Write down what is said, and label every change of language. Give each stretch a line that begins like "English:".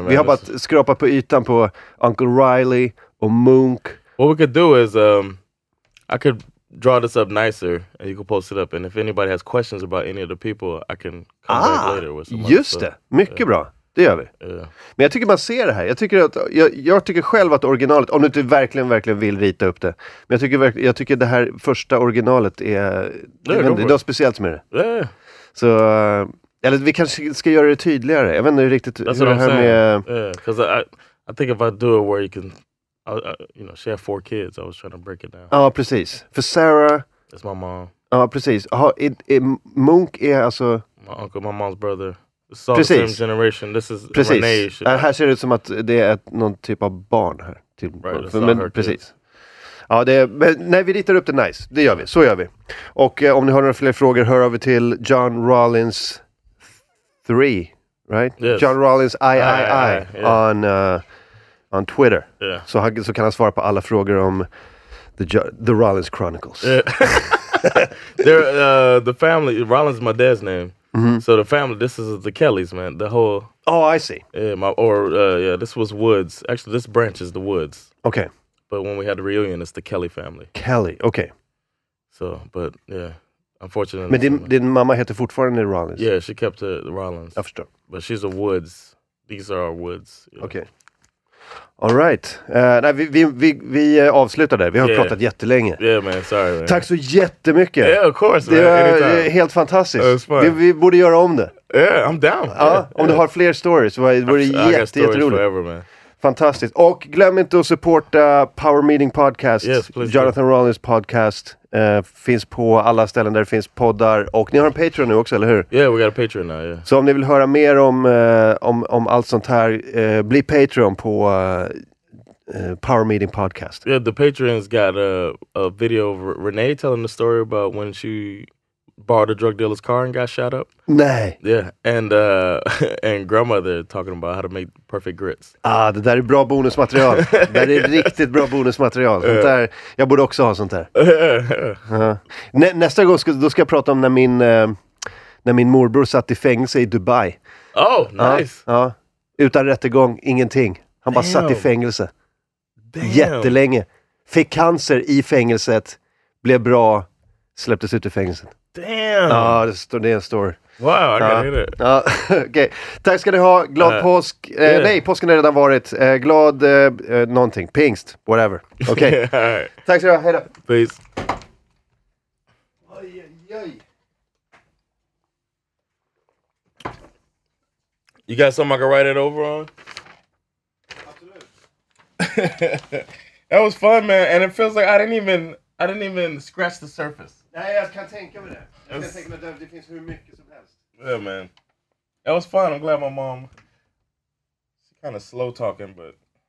Swedish: Vi har bara skrapat på ytan på Uncle Riley och Munk.
English: What we could do is, I could draw this up nicer and you could post it up. And if anybody has questions about any of the people, I can come back later with someone.
Swedish: Just det, mycket bra. Det gör vi.
English: Yeah.
Swedish: Men jag tycker man ser det här. Jag tycker själv att originalet, om du inte verkligen, verkligen vill rita upp det. Men jag tycker det här första originalet är... Det är speciellt med det.
English: Yeah.
Swedish: Så, eller vi kanske ska göra det tydligare. Jag vet inte riktigt
English: That's
Swedish: hur det här
English: saying.
Swedish: Med...
English: Because yeah. I think if I do it where you can... you know, she had 4 kids. I was trying to break it down.
Swedish: Ja, precis. För Sarah...
English: It's my mom.
Swedish: Ja, precis. Munk är alltså...
English: My uncle, my mom's brother. It's all the same generation. This is
Swedish: precis.
English: Renee.
Swedish: Precis. Här ser det ut som att det är någon typ av barn här. Typ.
English: Right, it's
Swedish: men, precis. Ja, det är, men när vi ritar upp det nice. Det gör vi. Så gör vi. Och om ni har några fler frågor, hör över till John Rollins 3.
English: Right? Yes. John Rollins I. On Twitter. Yeah.
Swedish: Så kan han svara på alla frågor om the Rollins Chronicles.
English: Yeah. the family, Rollins is my dad's name. Mm-hmm. So the family, this is the Kellys, man. The whole... Oh, I see. Yeah, this was Woods. Actually, this branch is the Woods. Okay. But when we had the reunion, it's the Kelly family. Kelly, okay. So, but, yeah, unfortunately...
Swedish: Men din mamma heter fortfarande Rollins?
English: Yeah, she kept the Rollins.
Swedish: Jag förstår.
English: But she's a Woods. These are our Woods. Yeah. Okay. All right.
Swedish: Vi avslutar där. Vi har pratat jättelänge.
English: Yeah, man. Sorry, man.
Swedish: Tack så jättemycket.
English: Yeah, of course.
Swedish: Det är helt fantastiskt. Vi borde göra om det.
English: Yeah, I'm down.
Swedish: Ja, om du har fler stories så vore jätteroligt. Fantastiskt. Och glöm inte att supporta Power Meeting Podcast.
English: Yes, please, Jonathan do. Rollins Podcast.
Swedish: Finns på alla ställen där det finns poddar. Och ni har en Patreon nu också, eller hur?
English: Yeah, we got a Patreon now, yeah.
Swedish: Så om ni vill höra mer om allt sånt här, bli Patreon på Power Meeting Podcast.
English: Yeah, the Patreon's got a video of Renee telling the story about when she borrowed a drug dealer's car and got shot up.
Swedish: Nej.
English: Yeah, and grandmother talking about how to make perfect grits.
Swedish: Ah, det där är bra bonusmaterial. Det är riktigt bra bonusmaterial. Sånt där, jag borde också ha sånt där. Nästa gång ska jag prata om när min morbror satt i fängelse i Dubai.
English: Oh, nice.
Swedish: Ja, utan rättegång, ingenting. Han bara satt i fängelse.
English: Damn.
Swedish: Jättelänge. Fick cancer i fängelset. Blev bra. Släpptes ut i fängelset.
English: Damn.
Swedish: Ja, det är en stor.
English: Wow, I can hear
Swedish: it. Ja, okej. Okay. Tack ska ni ha. Glad påsk. Yeah. Nej, påsken har redan varit. Glad någonting. Pingst. Whatever. Okej.
English: Okay.
Swedish: Tack ska ni ha. Hej då.
English: Peace.
Swedish: Oj, oj, oj.
English: You got something I can write it over on? Absolutely. That was fun, man. And it feels like I didn't even scratch the surface.
Swedish: Nej, jag kan tänka mig det. Jag kan tänka mig att det finns hur mycket som helst.
English: Yeah, man. That was fun. I'm glad my mom... She's kind of slow talking, but...